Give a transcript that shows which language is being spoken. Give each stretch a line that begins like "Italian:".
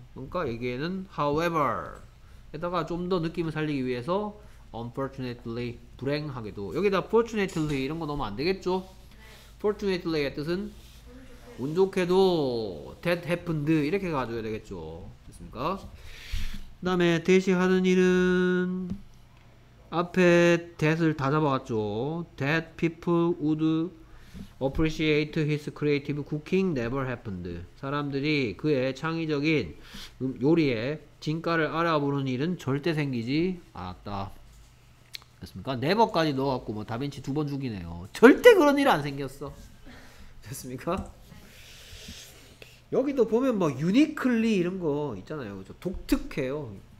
Korean: 그러니까 여기에는 however 게다가 좀 더 느낌을 살리기 위해서 unfortunately 불행하게도 여기다 fortunately 이런 거 넣으면 안 되겠죠? 네. fortunately의 뜻은 운 좋게도 that happened 이렇게 가져야 되겠죠. 됐습니까? 그다음에 대시 하는 일은 앞에 that을 다 잡아왔죠.
English: that people would appreciate his creative cooking never happened.
Korean: 사람들이 그의 창의적인 요리에 진가를 알아보는 일은 절대 생기지 않았다. 됐습니까? 네버까지 넣어갖고 뭐 다빈치 두 번 죽이네요. 절대 그런 일 안 생겼어. 됐습니까? 여기도 보면 뭐 유니클리 이런 거 있잖아요. 그렇죠? 독특해요.